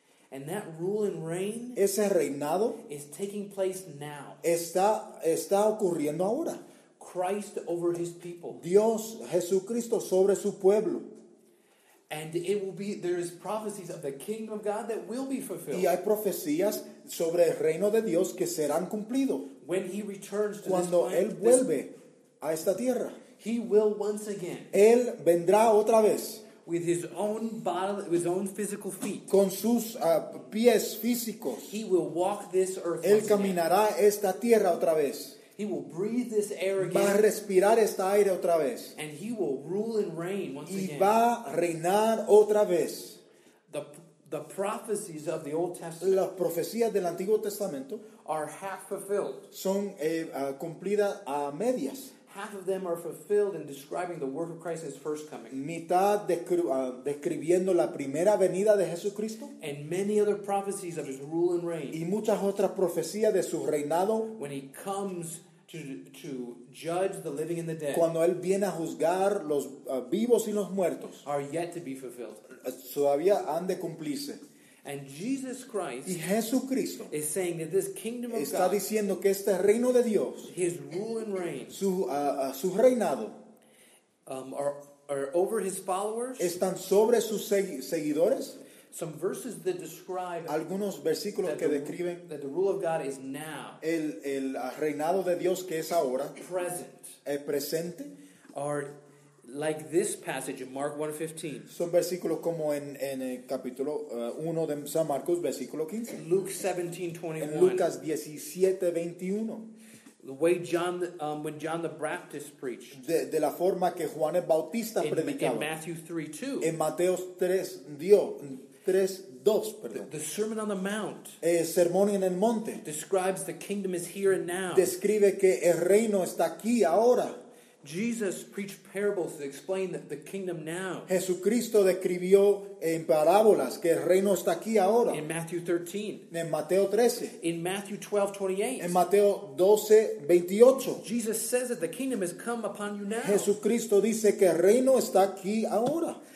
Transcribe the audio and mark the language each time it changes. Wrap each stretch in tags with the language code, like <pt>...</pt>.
<en>And that rule and reign,</en> <es>ese reinado,</es> <en>is taking place now.</en> <es>Está ocurriendo ahora.</es> <en>Christ over his people.</en> <es>Dios, Jesucristo sobre su pueblo.</es> <en>And it will be, there is prophecies of the kingdom of God that will be fulfilled.</en> <es>Y hay profecías sobre el reino de Dios que serán cumplido.</es> <en>When he returns to</en> <es>cuando</es> <en>this</en> <es>él vuelve a esta tierra,</es> <en>he will once again.</en> <es>Él vendrá otra vez.</es> <en>With his own body, with his own physical feet.</en> <es>Con sus pies físicos.</es> <en>He will walk this earth.</en> <es>Él caminará esta tierra otra vez.</es> <en>He will breathe this air again.</en> <es>Va a respirar este aire otra vez.</es> <en>And he will rule and reign once</en> <es>y</es> <en>again.</en> <es>Va a reinar otra vez.</es> <en>The prophecies of the Old Testament,</en> <es>las profecías del Antiguo Testamento,</es> <en>are half fulfilled.</en> <es>Son cumplidas a medias.</es> <en>Half of them are fulfilled in describing the work of Christ's first coming.</en> <es>Mitad describiendo la primera venida de Jesucristo.</es> <en>And many other prophecies of his rule and reign.</en> <es>Y muchas otras profecías de su reinado.</es> <en>When he comes to judge the living and the dead.</en> <es>Cuando él viene a juzgar los vivos y los muertos.</es> <en>Are yet to be fulfilled.</en> <es>Todavía han de cumplirse.</es> <en>And Jesus Christ,</en> <es>y Jesucristo,</es> <en>is saying that this kingdom of God,</en> <es>está diciendo que este reino de Dios,</es> <en>his rule and reign,</en> <es>su reinado,</es> <en>are over his followers,</en> <es>están sobre sus seguidores.</es> <en>Some verses that describe</en> <es>algunos versículos</es> <en>that</en> <es>que describen</es> <en>that the rule of God is now,</en> <es>el reinado de Dios que es ahora,</es> <en>present,</en> <es>el presente,</es> <en>are like this passage in Mark 1:15.</en> <es>Son versículos como en el capítulo 1 de San Marcos, versículo 15.</es> <en>Luke 17:21.</en> <es>En Lucas 17:21.</es> <en>The way John, when John the Baptist preached.</en> <es>De la forma que Juan el Bautista predicaba.</es> <en>In Matthew 3:2.</en> <es>En Mateo 3:2, perdón.</es> <en>The Sermon on the Mount.</en> <es>El sermón en el monte.</es> <en>Describes the kingdom is here and now.</en> <es>Describe que el reino está aquí ahora.</es> <en>Jesus preached parables to explain that the kingdom now.</en> <es>Jesucristo describió en parábolas que el reino está aquí ahora.</es> <en>In Matthew 13.</en> <es>En Mateo 13.</es> <en>In Matthew 12:28.</en> <es>En Mateo 12:28.</es> <en>Jesus says that the kingdom has come upon you now.</en> <es>Jesucristo dice que el reino está aquí ahora.</es>